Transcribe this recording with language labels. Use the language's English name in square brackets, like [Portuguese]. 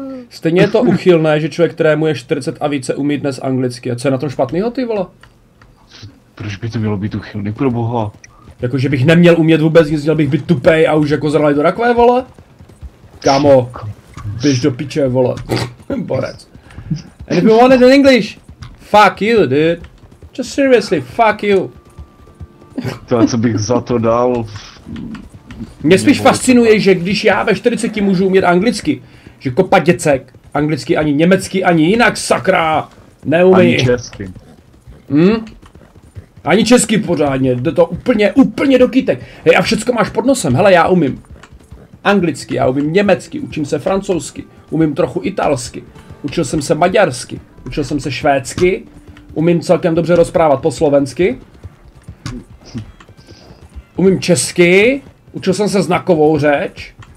[Czech] Stejně je to uchylné, že člověk, kterému je 40 a více, umí dnes anglicky. A co je na tom špatného, ty vole? Proč by to mělo být uchylný, pro boha? Jakože bych neměl umět vůbec nic, měl bych být tupej a už jako zralý do rakve, vole? Kámo, běž do piče, vole. Borec. [English] And if you want it in English, fuck you, dude. Just seriously, fuck you. [Czech] To, co bych za to dal, Mě spíš nebo něco fascinuje, že když já ve 40 můžu umět anglicky, že kopa děcek, anglicky ani německy, ani jinak, sakra, ani neumí. česky. Ani česky pořádně, jde to úplně do kytek. Hej, a všecko máš pod nosem, hele, já umím anglicky, já umím německy, učím se francouzsky, umím trochu italsky, učil jsem se maďarsky, učil jsem se švédsky, umím celkem dobře rozprávat po slovensky, umím česky, učil jsem se znakovou řeč.